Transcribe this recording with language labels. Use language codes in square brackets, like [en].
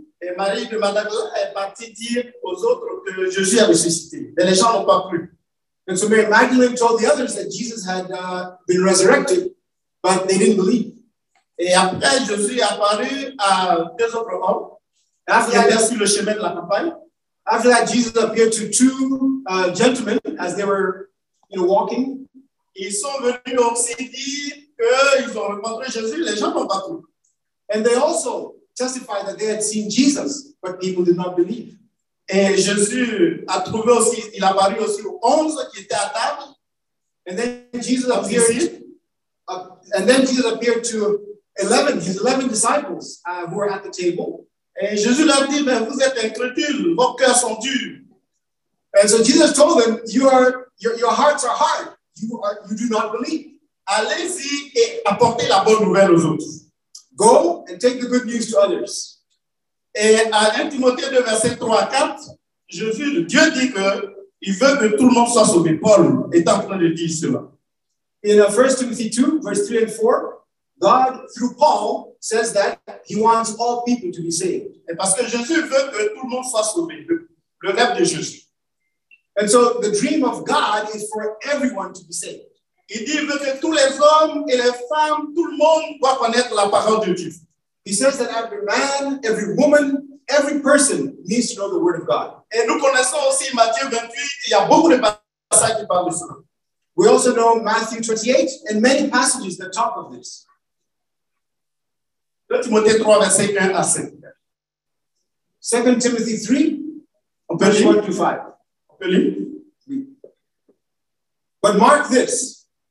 [fr] Et Marie de Magdala est partie dire aux autres que Jésus a ressuscité. Mais les gens n'ont pas cru. [en] And so Mary Magdalene told the others that Jesus had been resurrected, but they didn't believe. [fr] Et après, Jésus est apparu à deux autres hommes. Après, il a aperçu le chemin de la campagne. [en] After that, Jesus appeared to two gentlemen as they were, you know, walking. [fr] Ils sont venus aussi dire qu'ils ont rencontré Jésus, les gens n'ont pas cru. [en] And they also testified that they had seen Jesus, but people did not believe. [fr] Et Jésus a trouvé aussi, il a apparu aussi aux onze qui étaient à table. [en] And then Jesus appeared, to 11, his 11 disciples who were at the table. [fr] Et Jésus leur dit, mais vous êtes incrédules, vos cœurs sont durs. [en] And so Jesus told them, your hearts are hard. You do not believe. [fr] Allez-y et apportez la bonne nouvelle aux autres. [en] Go and take the good news to others. [fr] Et à 1 Timothée 2, verset 3 à 4, Jésus, Dieu dit que il veut que tout le monde soit sauvé. Paul est en train de dire cela. [en] In 1 Timothy 2, verse 3 and 4, God, through Paul, says that he wants all people to be saved. [fr] Et parce que Jésus veut que tout le monde soit sauvé, le rêve de Jésus. [en] And so the dream of God is for everyone to be saved. [fr] Il dit, il veut que tous les hommes et les femmes, tout le monde doit connaître la parole de Dieu. [en] He says that every man, every woman, every person needs to know the word of God. [fr] Et nous connaissons aussi Matthieu 28, il y a beaucoup de passages qui parlent de cela. [en] We also know Matthew 28 and many passages that talk of this. [fr] 2 Timothée 3, verset 1 à 5. [en] 2 Timothy 3, verse 1 to 5. But mark this.